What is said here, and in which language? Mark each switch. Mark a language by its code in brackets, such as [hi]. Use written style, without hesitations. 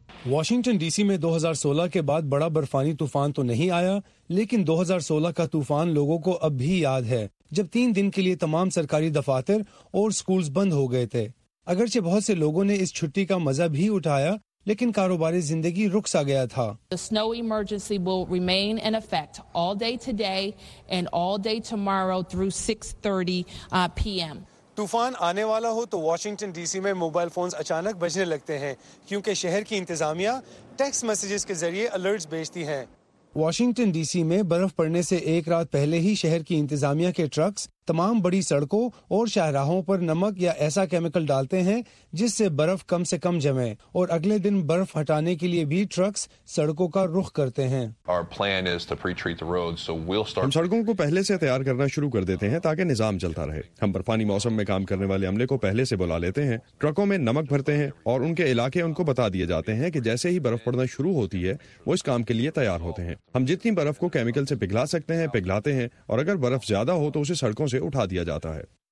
[ur] Washington D C میں 2016 کے بعد بڑا برفانی طوفان تو نہیں آیا، لیکن 2016 کا طوفان لوگوں کو اب بھی یاد ہے جب 3 دن کے لیے تمام سرکاری دفاتر اور سکولز بند ہو گئے تھے. اگرچہ بہت سے لوگوں نے اس چھٹی کا مزہ بھی اٹھایا لیکن کاروباری زندگی رک سا گیا تھا. [en] The snow emergency will remain in effect all day today and all day tomorrow through 6:30 p.m. [ur] طوفان آنے والا ہو تو واشنگٹن ڈی سی میں موبائل فونز اچانک بجنے لگتے ہیں کیونکہ شہر کی انتظامیہ ٹیکسٹ میسجز کے ذریعے الرٹس بھیجتی ہیں. واشنگٹن ڈی سی میں برف پڑنے سے ایک رات پہلے ہی شہر کی انتظامیہ کے ٹرکس تمام بڑی سڑکوں اور شاہراہوں پر نمک یا ایسا کیمیکل ڈالتے ہیں جس سے برف کم سے کم جمے، اور اگلے دن برف ہٹانے کے لیے بھی ٹرکس سڑکوں کا رخ کرتے ہیں. [en] Our plan is to pre-treat the roads, so we'll start... [ur] ہم سڑکوں کو پہلے سے تیار کرنا شروع کر دیتے ہیں تاکہ نظام چلتا رہے. ہم برفانی موسم میں کام کرنے والے عملے کو پہلے سے بلا لیتے ہیں، ٹرکوں میں نمک بھرتے ہیں اور ان کے علاقے ان کو بتا دیے جاتے ہیں کہ جیسے ہی برف پڑنا شروع ہوتی ہے وہ اس کام کے لیے تیار ہوتے ہیں. ہم جتنی برف کو کیمیکل سے پگھلا سکتے ہیں پگھلاتے ہیں، اور اگر برف زیادہ ہو تو اسے سڑکوں سے اٹھا دیا جاتا ہے.